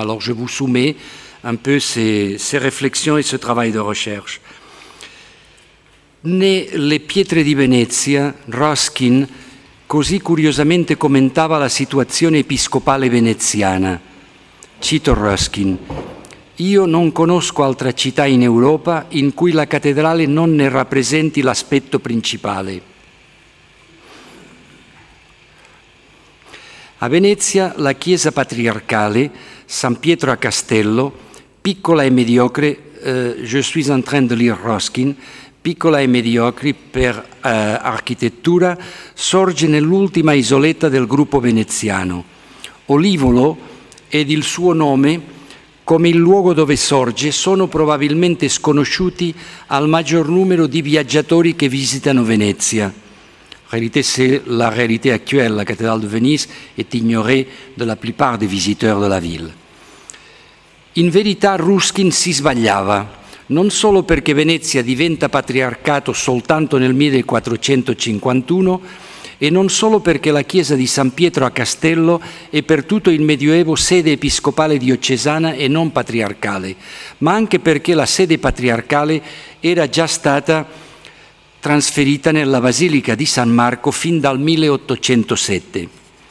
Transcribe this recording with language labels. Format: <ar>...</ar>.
<fr>Alors je vous soumets un peu ces réflexions et ce travail de recherche.</fr> <it>Né le pietre di Venezia, Ruskin così curiosamente commentava la situazione episcopale veneziana. Cito Ruskin: «Io non conosco altra città in Europa in cui la cattedrale non ne rappresenti l'aspetto principale». A Venezia la chiesa patriarcale, San Pietro a Castello, piccola e mediocre,</it> <fr>je suis en train de lire Ruskin,</fr> <it>piccola e mediocre per architettura, sorge nell'ultima isoletta del gruppo veneziano. Olivolo ed il suo nome, come il luogo dove sorge, sono probabilmente sconosciuti al maggior numero di viaggiatori che visitano Venezia.</it> <fr>Realité, c'est la réalité actuelle. La cathédrale de Venise est ignorée de la plupart des visiteurs de la ville.</fr> <it>In verità, Ruskin si sbagliava, non solo perché Venezia diventa patriarcato soltanto nel 1451 e non solo perché la chiesa di San Pietro a Castello è per tutto il Medioevo sede episcopale diocesana e non patriarcale, ma anche perché la sede patriarcale era già stata trasferita nella Basilica di San Marco fin dal 1807.</it>